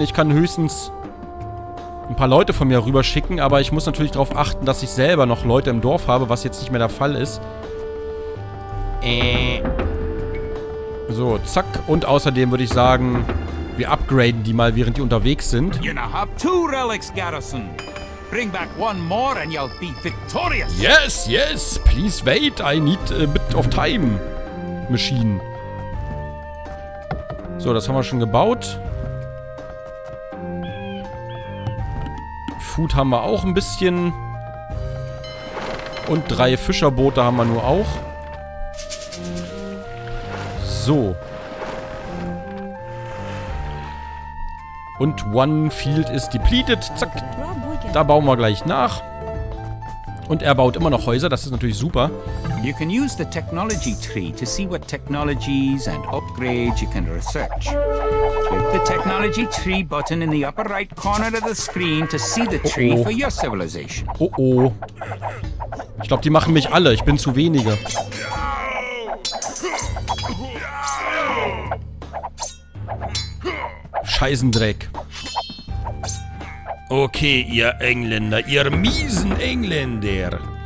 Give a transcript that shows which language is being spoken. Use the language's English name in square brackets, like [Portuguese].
[German] Ich kann höchstens ein paar Leute von mir rüberschicken, aber ich muss natürlich darauf achten, dass ich selber noch Leute im Dorf habe, was jetzt nicht mehr der Fall ist. So, zack. Und außerdem würde ich sagen, wir upgraden die mal, während die unterwegs sind. [English] You now have two relics, Garrison. Bring back one more and you'll be victorious. Yes, yes. Please wait. I need a bit of time. Machine. [German] So, das haben wir schon gebaut. Food haben wir auch ein bisschen. Und drei Fischerboote haben wir nur auch. So. Und [English] one field is depleted. [German] Zack. Da bauen wir gleich nach. Und er baut immer noch Häuser, das ist natürlich super. [English] You can use the technology tree to see what technologies and upgrades you can research. Click the technology tree button in the upper right corner of the screen to see the tree for your civilization. Oh oh. [German] Ich glaube, die machen mich alle, ich bin zu wenige. Scheißendreck. Okay, ihr Engländer, ihr miesen Engländer.